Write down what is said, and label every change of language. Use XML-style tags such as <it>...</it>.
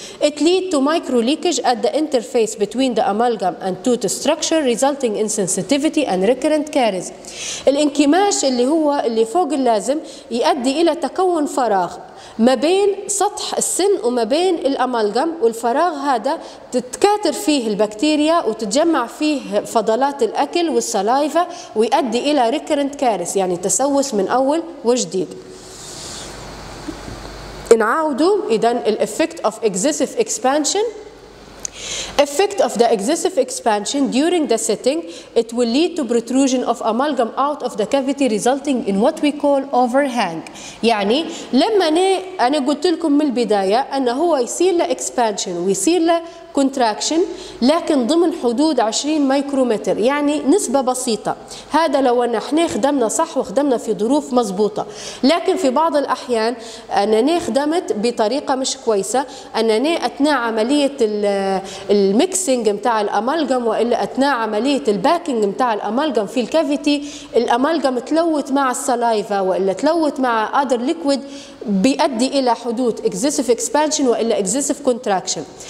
<en>It lead to micro leakage at the interface between the amalgam and tooth structure resulting in sensitivity and recurrent caries.</en> <ar>الانكماش اللي هو اللي فوق اللازم يؤدي الى تكون فراغ ما بين سطح السن وما بين الامالجام، والفراغ هذا تتكاثر فيه البكتيريا وتتجمع فيه فضلات الاكل والسلايفا ويؤدي الى recurrent caries يعني تسوس من اول وجديد. نعاودوا اذا</ar> <en>الافكت of excessive expansion. effect of the excessive expansion during the setting, it will lead to protrusion of amalgam out of the cavity resulting in what we call overhang.</en> <ar>يعني لما أنا قلت لكم من البداية أنه هو يصير له expansion ويصير له contraction لكن ضمن حدود 20 ميكرومتر يعني نسبة بسيطة. هذا لو أن احنا خدمنا صح وخدمنا في ظروف مضبوطة. لكن في بعض الأحيان أننا خدمت بطريقة مش كويسة أننا أثناء عملية الميكسينج متاع الأمالجم وإلا أثناء عملية الباكينج متاع الأمالجم في الكافيتي الأمالجم تلوت مع السلايفا وإلا تلوت مع other liquid بيؤدي إلى حدود excessive expansion وإلا excessive contraction.</ar>